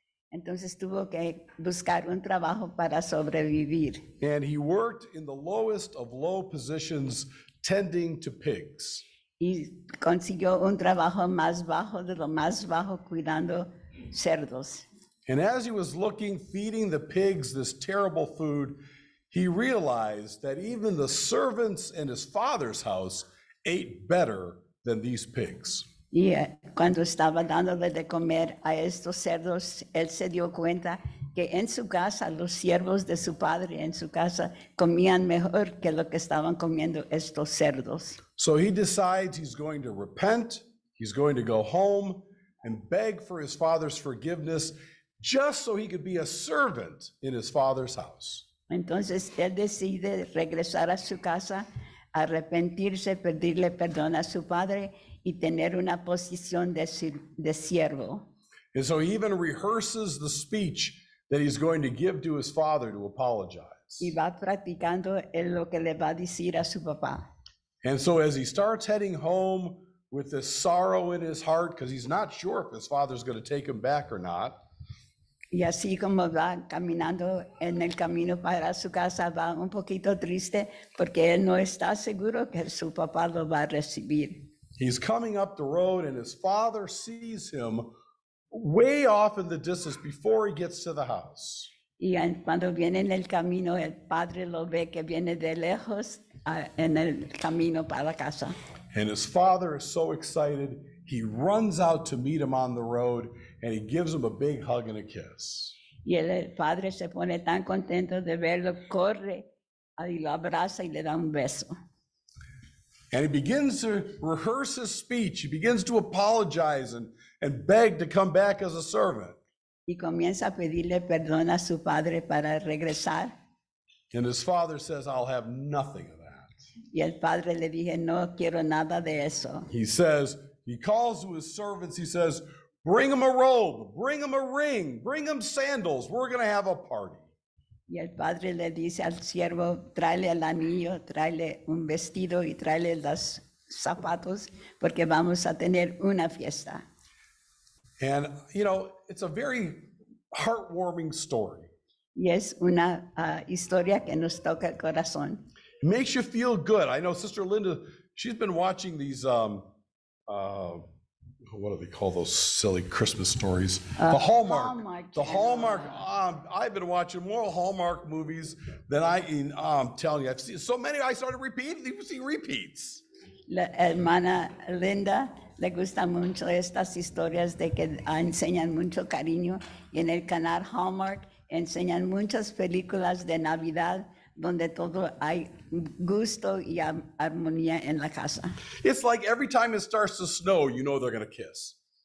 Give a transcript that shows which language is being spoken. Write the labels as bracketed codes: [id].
[es] Entonces tuvo que buscar un trabajo para sobrevivir. [en] And he worked in the lowest of low positions, tending to pigs. [es] Y consiguió un trabajo más bajo de lo más bajo, cuidando cerdos. [en] And as he was looking, feeding the pigs this terrible food, he realized that even the servants in his father's house ate better than these pigs. [es] Y cuando estaba dándole de comer a estos cerdos, él se dio cuenta que en su casa, los siervos de su padre en su casa comían mejor que lo que estaban comiendo estos cerdos. [en] So he decides he's going to repent, he's going to go home and beg for his father's forgiveness just so he could be a servant in his father's house. [es] Entonces él decide regresar a su casa, arrepentirse, pedirle perdón a su padre y tener una posición de siervo. [en] And so he even rehearses the speech that he's going to give to his father to apologize. [es] Y va practicando en lo que le va a decir a su papá. [en] And so as he starts heading home with this sorrow in his heart, because he's not sure if his father's going to take him back or not. [es] Y así como va caminando en el camino para su casa, va un poquito triste porque él no está seguro que su papá lo va a recibir. [en] He's coming up the road and his father sees him way off in the distance before he gets to the house. [es] Y cuando viene en el camino, el padre lo ve que viene de lejos en el camino para la casa. [en] And his father is so excited, he runs out to meet him on the road, and he gives him a big hug and a kiss. [es] Y el padre se pone tan contento de verlo, corre y lo abraza y le da un beso. [en] And he begins to rehearse his speech, he begins to apologize and beg to come back as a servant. [es] Y comienza a pedirle perdón a su padre para regresar. [en] And his father says, I'll have nothing of that. [es] Y el padre le dije, no quiero nada de eso. [en] He says, he calls to his servants, he says, bring him a robe, bring him a ring, bring him sandals, we're going to have a party. [es] Y el padre le dice al siervo, tráele el anillo, tráele un vestido y tráele los zapatos, porque vamos a tener una fiesta. [en] And, you know, it's a very heartwarming story. [es] Y es una historia que nos toca el corazón. [en] It makes you feel good. I know Sister Linda, she's been watching these, what do they call those silly Christmas stories? The Hallmark. I've been watching more Hallmark movies than I'm telling you. I've seen so many, I started repeating, you see repeats. [es] La hermana Linda le gusta mucho estas historias de que enseñan mucho cariño. Y en el canal Hallmark enseñan muchas películas de Navidad donde todo hay gusto y armonía en la casa. [en] It's like every time it starts to snow, you know they're going to kiss.